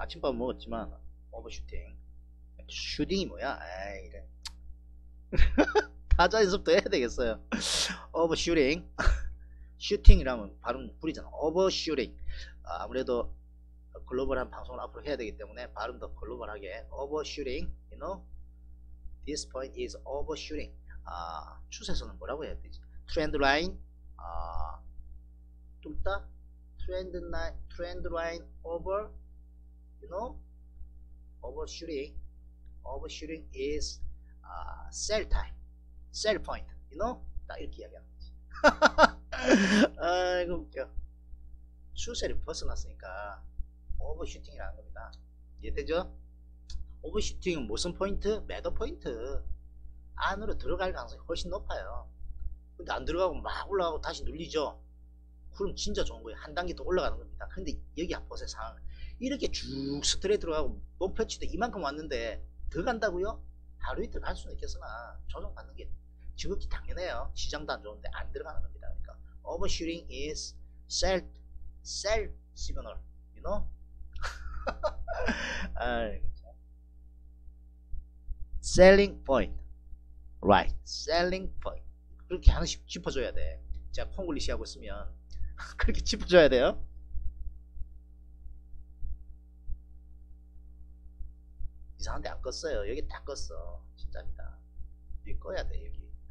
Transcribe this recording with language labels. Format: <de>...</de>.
<ko>아침밥 먹었지만, 오버슈팅. 슈딩이 뭐야? 에이, 이래. 타자 연습도 해야 되겠어요. 오버슈팅. 슈팅이라면 발음 구리잖아. 오버슈팅. 아무래도 글로벌한 방송을 앞으로 해야 되기 때문에 발음도 글로벌하게.</ko> <en>오버슈팅. You know? This point is overshooting.</en> <ko>추세선은 뭐라고 해야 되지?</ko> <en>Trend line.</en> <ko>뚫다?</ko> <en>Trend line over. You know? Overshooting. Overshooting is sell time. Sell point, you know?</en> <ko>딱 이렇게 이야기하는 거지. 아이고, 웃겨. 추세를 벗어났으니까, 오버슈팅이라는 겁니다. 이해되죠? 오버슈팅은 무슨 포인트? 매도 포인트. 안으로 들어갈 가능성이 훨씬 높아요. 근데 안 들어가고 막 올라가고 다시 눌리죠? 그럼 진짜 좋은 거예요. 한 단계 더 올라가는 겁니다. 근데 여기 보세요, 상황. 이렇게 쭉 스트레이트 들어가고, 목표치도 이만큼 왔는데, 더 간다고요? 하루 이틀 갈 수는 있겠으나, 조정 받는 게 지극히 당연해요. 시장도 안 좋은데 안 들어가는 겁니다. 그러니까</ko> <en>overshooting is sell signal, you know? 아이고, selling point, right?</en> <ko>selling point 그렇게 하나씩 짚어줘야 돼. 제가 콩글리시 하고 있으면 그렇게 짚어줘야 돼요. 이상한데 안 껐어요. 여기 다 껐어. 진짜입니다. 여기 꺼야 돼. 여기.</ko>